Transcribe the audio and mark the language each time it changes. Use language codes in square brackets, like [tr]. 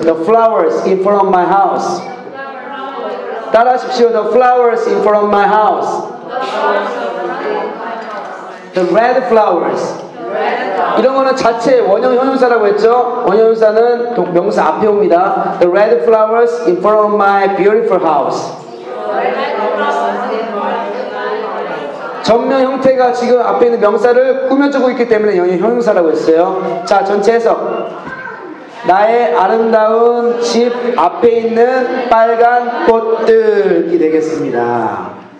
[en] The flowers in front of my house. [ko] 따라하십시오. [en] The flowers in front of my house. The red flowers. [ko] 이런 거는 자체 원형 형용사라고 했죠. 원형 형용사는 명사 앞에 옵니다. [en] The red flowers in front of my beautiful house. [ko] 전명 형태가 지금 앞에 있는 명사를 꾸며주고 있기 때문에 영어 형용사라고 했어요. 자, 전체 해석. 나의 아름다운 집 앞에 있는 빨간 꽃들이 되겠습니다.